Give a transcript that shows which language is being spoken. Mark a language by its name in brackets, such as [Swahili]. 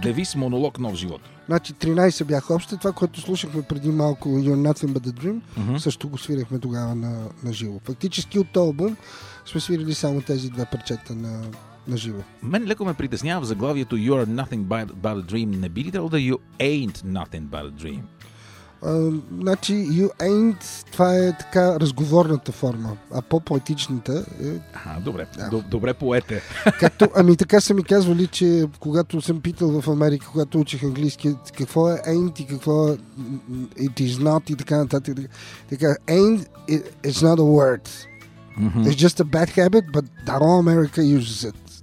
[Bulgarian] Девис, монолог, Нов живот. Значи 13 бяха общо. Това, което слушахме преди малко, You're Nothing But A Dream, също го свирихме тогава на живо. Фактически от този албум сме свирили само тези две парчета на живо. Мен леко ме притеснява в заглавието You're Nothing But A Dream. Не би ли трябвало да You Ain't Nothing But A Dream? Значи You Ain't, това е така разговорната форма, а по-поетичната е... Ага, добре, да. Добре поете. Както, ами така са ми казвали, че когато съм питал в Америка, когато учих английски, какво е Ain't и какво е It Is Not и така нататък. [English] Така, Ain't, it's not a word. It's just a bad habit, but that all America uses it.